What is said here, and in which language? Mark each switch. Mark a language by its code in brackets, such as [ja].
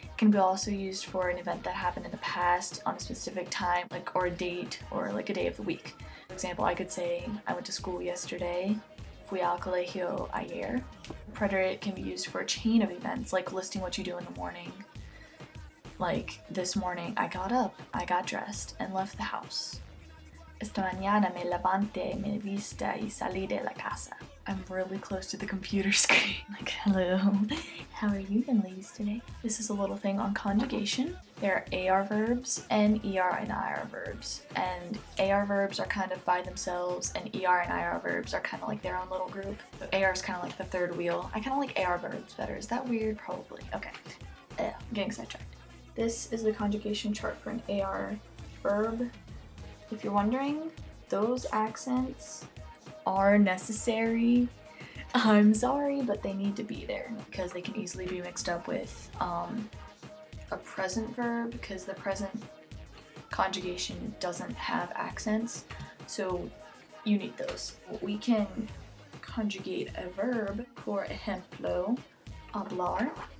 [en] Can be also used for an event that happened in the past on a specific time, like, or a date, or like a day of the week. For example, I could say, I went to school yesterday, [es] fui al colegio ayer. [en] Preterite can be used for a chain of events, like listing what you do in the morning. Like, this morning I got up, I got dressed, and left the house. [es] Esta mañana me levanté, me visté, y salí de la casa. [en] I'm really close to the computer screen. Like, hello. How are you and ladies today? This is a little thing on conjugation. There are AR verbs and ER and IR verbs. And AR verbs are kind of by themselves, and ER and IR verbs are kind of like their own little group. So AR is kind of like the third wheel. I kind of like AR verbs better. Is that weird? Probably. Okay. Ugh, getting sidetracked. This is the conjugation chart for an AR verb. If you're wondering, those accents are necessary. I'm sorry, but they need to be there because they can easily be mixed up with a present verb, because the present conjugation doesn't have accents, so you need those. We can conjugate a verb, [es] por ejemplo, [en] hablar.